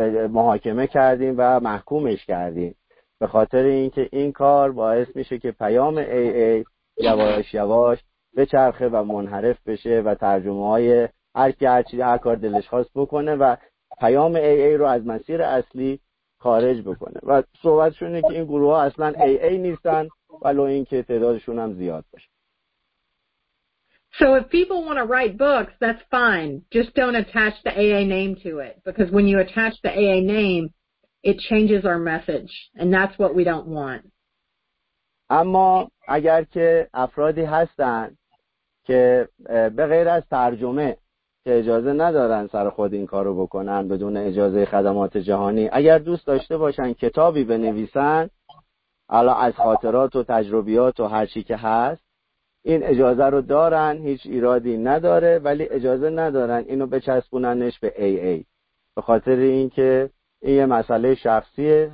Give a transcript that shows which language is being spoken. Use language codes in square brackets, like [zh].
[fa] محاکمه کردیم و محکومش کردیم، به خاطر اینکه این کار باعث میشه که پیام AA یواش یواش بچرخه و منحرف بشه و ترجمه های هر کار دلش خواست بکنه و پیام AA رو از مسیر اصلی خارج بکنه. و صحبتشونه که این گروه ها اصلا AA نیستن، ولو اینکه تعدادشون هم زیاد باشه. [en] So if people want to write books, that's fine. Just don't attach the AA name to it, because when you attach the AA name, it changes our message, and that's what we don't want. [fa] اما اگر که افرادی هستن که به غیر از ترجمه که اجازه ندارن سر خود این کارو بکنن بدون اجازه خدمات جهانی، اگر دوست داشته باشن کتابی بنویسن، حالا از خاطرات و تجربیات و هر چی که هست، این اجازه رو دارن، هیچ ایرادی نداره، ولی اجازه ندارن اینو بچسبوننش به AA، به خاطر اینکه این یه مسئله شخصیه.